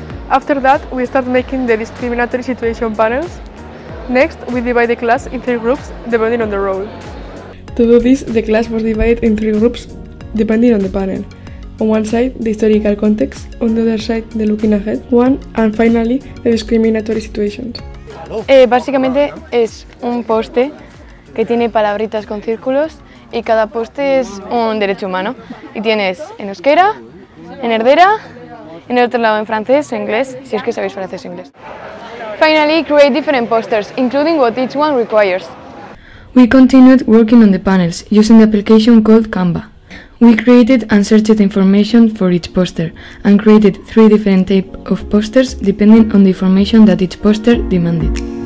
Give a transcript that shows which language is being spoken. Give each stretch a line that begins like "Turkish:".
English: After that, we start making the discriminatory situation panels. Next, we divide the class in three groups, depending on the role. To do this, the class was divided in three groups, depending on the panel. On one side, the historical context, on the other side, the looking ahead one, and finally, the discriminatory situations.
Spanish: Básicamente, es un poste que tiene palabritas con círculos y cada poste es un derecho humano. Y tienes en euskera, en erdera, en el otro lado en francés o inglés, si es que sabéis francés o inglés.
English: Finally, create different posters, including what each one requires. We continued working on the panels using the application called Canva. We created and searched information for each poster and created three different types of posters depending on the information that each poster demanded.